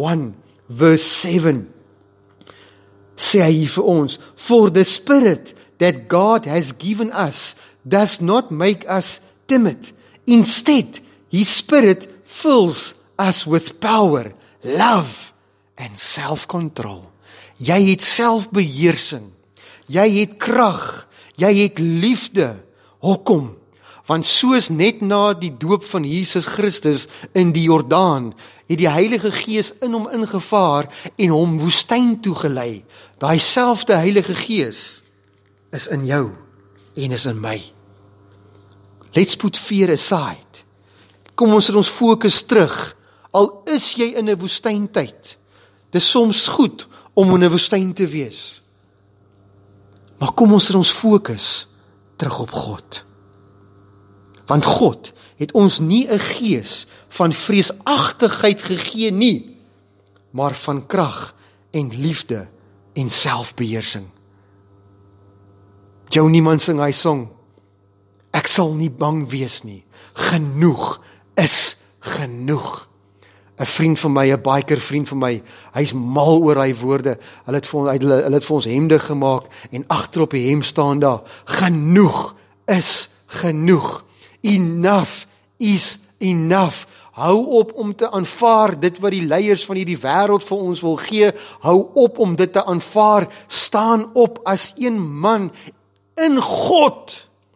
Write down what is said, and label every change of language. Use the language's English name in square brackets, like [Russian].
[Afrikaans] 2 Timothy 1 verse 7 sê hy vir ons, [English] for the spirit that God has given us does not make us timid. Instead, his spirit fills us with power, love and self-control. [Afrikaans] Jy het selfbeheersing, jy het krag, jy het liefde. Hoekom? Want soos net na die doop van Jesus Christus in die Jordaan, het die Heilige Gees in hom ingevaar en hom woestyn toegelei. Daai selfde Heilige Gees is in jou en is in my. [English] Let's put fear aside. [Afrikaans] Kom ons het ons fokus terug. Al is jy in 'n woestyntyd, dis soms goed om in 'n woestyn te wees. Maar kom ons het ons fokus terug op God. Want God het ons nie 'n gees van vreesagtigheid gegee nie, maar van krag en liefde en selfbeheersing. Jou niemand sing hy song, ek sal nie bang wees nie, genoeg is genoeg. 'N Vriend van my, 'n biker vriend van my, hy is mal oor hy woorde, hy het vir ons hemde gemaak en achterop die hem staan daar, genoeg is genoeg. [English] Enough is enough. [Afrikaans] Hou op om te aanvaar dit wat die leiers van hierdie wêreld vir ons wil gee. Hou op om dit te aanvaar. Staan op as een man in God.